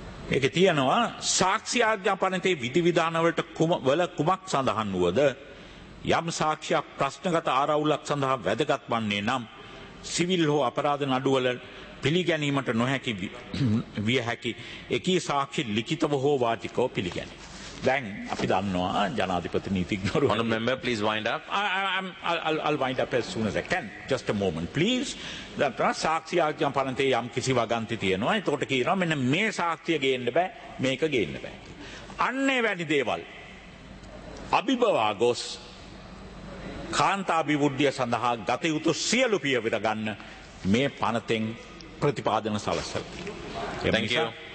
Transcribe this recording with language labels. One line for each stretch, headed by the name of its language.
Sinhala: මේකේ තියෙනවා සාක්ෂි ආඥාපනතේ විධිවිධානවලට කුමක් සඳහන් වුවද යම් සාක්ෂියක් ප්‍රශ්නගත ආරවුලක් සඳහා වැදගත් වන්නේ නම් සිවිල් හෝ අපරාධ නඩුවල පිළිගැනීමට නොහැකි විය හැකි එකී සාක්ෂි ලිඛිතව හෝ වාචිකව පිළිගැනේ. දැන් අපි දන්නවා ජනාධිපති නීතිඥවරු
English: honorable member please wind up I'll wind up as soon as I can just a moment please that
Sinhala: සාක්ෂි ආඥා පරන්තේ යම් කිසි වගන්ති තියෙනවා එතකොට කියනවා මෙන්න මේ සාක්ෂිය ගේන්න බෑ මේක ගේන්න බෑ අන්නේ වැඩි දේවල් අභිභවා ගොස් කාන්තා අභිවෘද්ධිය සඳහා ගත යුතු සියලු පියවර ගන්න මේ පනතෙන් ප්‍රතිපාදන සලස්සති